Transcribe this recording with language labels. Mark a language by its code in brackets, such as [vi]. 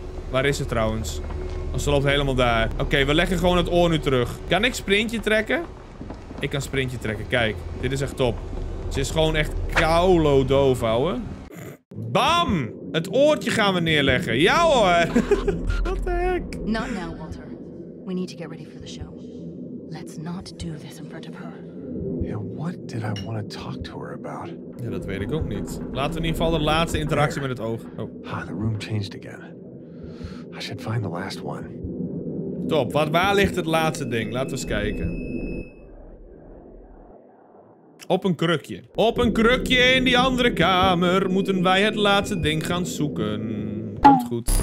[nl] Waar is ze trouwens? Oh, ze loopt helemaal daar. Oké, we leggen gewoon het oor nu terug. Kan ik sprintje trekken? Ik kan sprintje trekken. Kijk, dit is echt top. Ze is gewoon echt kaulo doof, ouwe. Bam! Het oortje gaan we neerleggen. Ja hoor! Wat de heck? [en] Not now, Walter. We need to get ready for the show. Let's not do this in front of her. Yeah, what did I want to talk to her about? [nl] Ja, dat weet ik ook niet. Laten we in ieder geval de laatste interactie met het oog. Oh. [en] Ah, the room changed again. I should find the last one. [nl] Top. Waar ligt het laatste ding? Laten we eens kijken. Op een krukje. Op een krukje in die andere kamer moeten wij het laatste ding gaan zoeken. Komt goed.